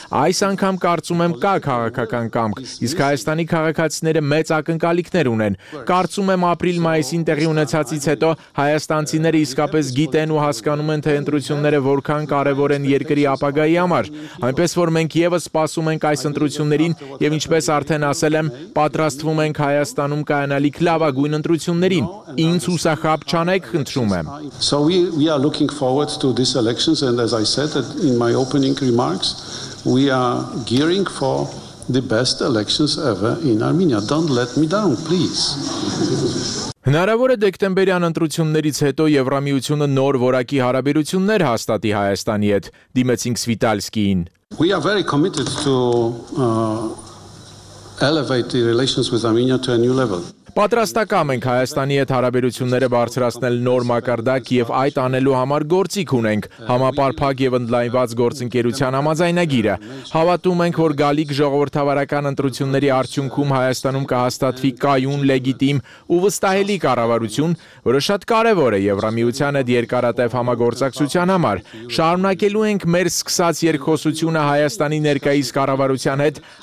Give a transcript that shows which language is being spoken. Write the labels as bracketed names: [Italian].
[Armenian] Այս անգամ կարծում եմ կա քաղաքական կամք, իսկ Հայաստանի քաղաքացիները մեծ ակնկալիքներ ունեն։ Կարծում եմ ապրիլ-մայիսին տեղի ունեցածից հետո հայաստանցիները իսկապես գիտեն ու հասկանում են, թե ընտրությունները որքան կարևոր են երկրի ապագայի համար։ Այնպես որ մենք եւս սպասում ենք այս ընտրություններին եւ ինչպես արդեն ասել եմ, պատրաստվում ենք Հայաստանում կայանալիք լավագույն ընտրություններին։ Ինձ հուսախաբ չանեք, խնդրում եմ։ [English] So we are looking forward to these elections, and as I said in my opening remarks, we are gearing for the best elections ever in Armenia. Don't let me down, please. [Armenian] Հնարավոր է դեկտեմբերյան ընտրություններից հետո Եվրամիությունը նոր որակի հարաբերություններ հաստատի Հայաստանի հետ, դիմեցինք Սվիտալսկիին. [English] We are very committed to elevate the relations with Armenia to a new level. [Armenian] Պատրաստակամ ենք Հայաստանի հետ հարաբերությունները բարձրացնել նոր մակարդակ, եւ այդ անելու համար գործիք ունենք՝ համապարփակ եւ ընդլայնված գործընկերության համաձայնագիրը։ Հավատում ենք, որ գալիք ժողովրդավարական ընտրությունների արդյունքում Հայաստանում կհաստատվի կայուն, լեգիտիմ ու վստահելի կառավարություն, որը շատ կարեւոր է Եվրամիության հետ երկարատև համագործակցության համար։ Շարունակելու ենք մեր սկսած երկխոսությունը Հայաստանի ներկայիս կառավարության հետ